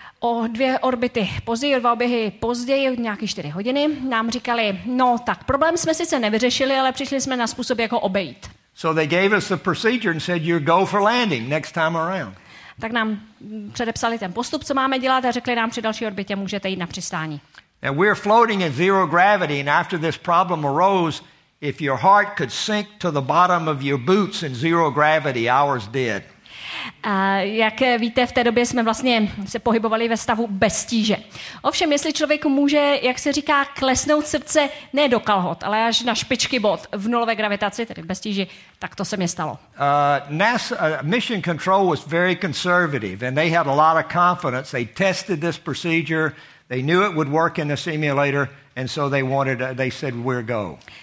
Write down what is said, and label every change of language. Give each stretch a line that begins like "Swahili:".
Czech: O 2 orbity později, 2 oběhy později, nějaké 4 hodiny, nám říkali, no tak problém jsme sice nevyřešili, ale přišli jsme na způsob, jak ho obejít.
English: So they gave us the procedure and said, you're go for landing next time around.
Czech: Tak nám předepsali ten postup, co máme dělat a řekli nám, při další orbitě můžete jít na přistání.
English: And we're floating in zero gravity and after this problem arose, if your heart could sink to the bottom of your boots in zero gravity, ours did.
Czech: Jak víte, v té době jsme vlastně se pohybovali ve stavu bez tíže. Ovšem, jestli člověk může, jak se říká, klesnout srdce ne do kalhot, ale až na špičky bod v nulové gravitaci, tedy bez tíže, tak to se mi stalo.
English: NASA Mission Control was very conservative and they had a lot of confidence. They tested this procedure. They knew it would work in the simulator and so they said we're go.